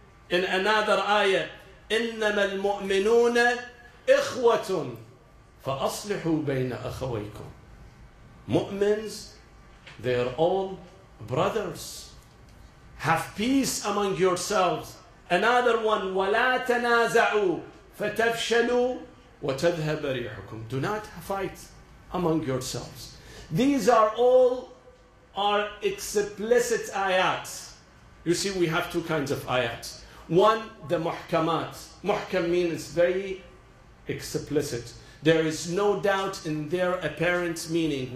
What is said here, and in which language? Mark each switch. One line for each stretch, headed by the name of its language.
English: In another ayah,
Arabic: إِنَّمَا الْمُؤْمِنُونَ إِخْوَةٌ فَأَصْلِحُوا بَيْنَ أَخَوَيْكُمْ.
English: Mu'mins, they are all brothers. Have peace among yourselves. Another one,
Arabic: وَلَا تَنَازَعُوا فَتَفْشَلُوا وَتَذْهَبَ رِيحُكُمْ.
English: Do not fight among yourselves. These are all our explicit ayats. You see, we have two kinds of ayats. One, the muhkamat. Muhkam means very explicit. There is no doubt in their apparent meaning.